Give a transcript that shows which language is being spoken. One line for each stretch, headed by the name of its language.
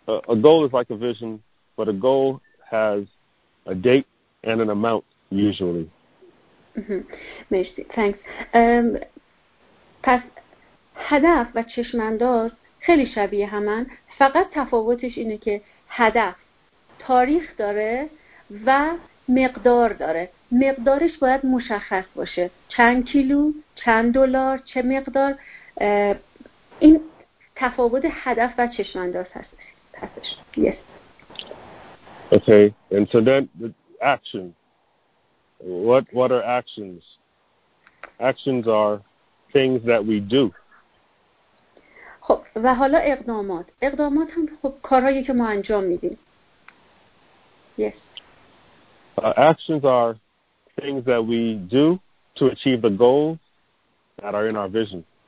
English: A goal is like a vision, but a goal has a date and an amount usually.
Persian: مرسی.
English: Thanks.
Persian: پس هدف و چشم‌انداز خیلی شبیه همن، فقط تفاوتش اینه که هدف تاریخ داره و مقدار داره. مقدارش باید مشخص باشه. چند کیلو، چند دلار، چه مقدار. این تفاوت هدف و چشم‌انداز هست.
English: Yes. Okay, and so then the action. What are actions? Actions are things that we do.
Persian: خب و حالا اقدامات. اقدامات هم خب کارهایی که ما انجام میدیم.
English: Yes. Actions are things that we do to achieve the goals that are in our vision.